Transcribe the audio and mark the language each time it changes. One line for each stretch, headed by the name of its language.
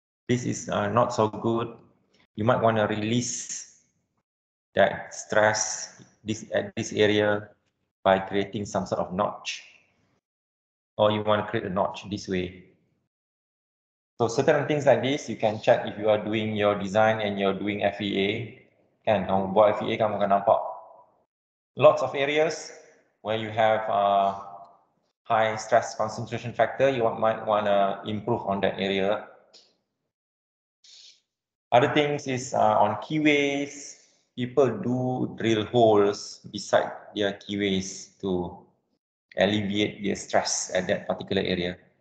English: This is not so good. You might want to release that stress this at this area by creating some sort of notch. Or you want to create a notch this way. So certain things like this, you can check if you are doing your design and you're doing FEA.
Malay: Kan, kamu buat FEA, kamu akan nampak.
English: Lots of areas where you have high stress concentration factor, you might want to improve on that area. Other things is on keyways. People do drill holes beside their keyways to alleviate their stress at that particular area.